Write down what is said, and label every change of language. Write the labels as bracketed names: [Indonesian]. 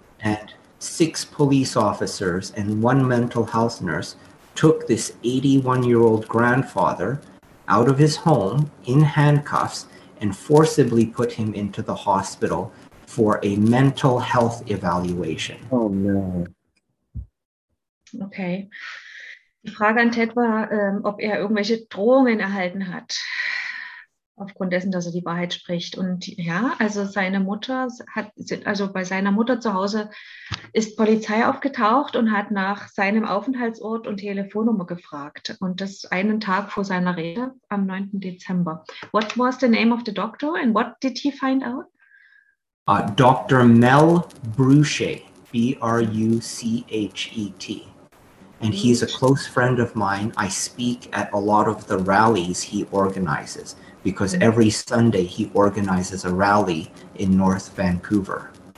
[English] And six police officers and one mental health nurse took this 81-year-old grandfather out of his home in handcuffs and forcibly put him into the hospital for a mental health evaluation. Oh, no. Okay. [German] Die Frage an Ted war, ob er irgendwelche Drohungen erhalten hat. Aufgrund dessen, dass er die Wahrheit spricht. Und ja, also seine Mutter bei seiner Mutter zu Hause ist Polizei aufgetaucht und hat nach seinem Aufenthaltsort und Telefonnummer gefragt. Und das einen Tag vor seiner Rede am 9. Dezember. [English] What was the name of the doctor and what did he find out? Dr. Mel Bruchet, Bruchet. And he's a close friend of mine. I speak at a lot of the rallies he organizes because every Sunday he organizes a rally in North Vancouver.